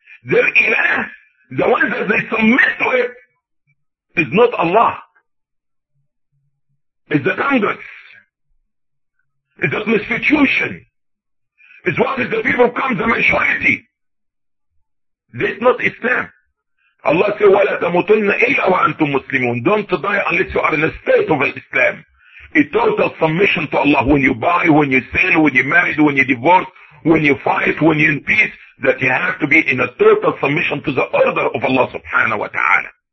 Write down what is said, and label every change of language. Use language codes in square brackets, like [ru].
[en] Their ilah, the one that they submit to it, is not Allah. It's the Congress. It's the constitution. It's what if the people come, the majority. This is not Islam. Allah said, [ar] وَلَا تَمُتُنَّ إِلَّا وَأَنْتُمْ مُسْلِمُونَ. [en] Don't die unless you are in a state of Islam. A total submission to Allah. When you buy, when you sell, when you married, when you divorce, when you fight, when you're in peace, that you have to be in a total submission to the order of Allah subhanahu wa ta'ala.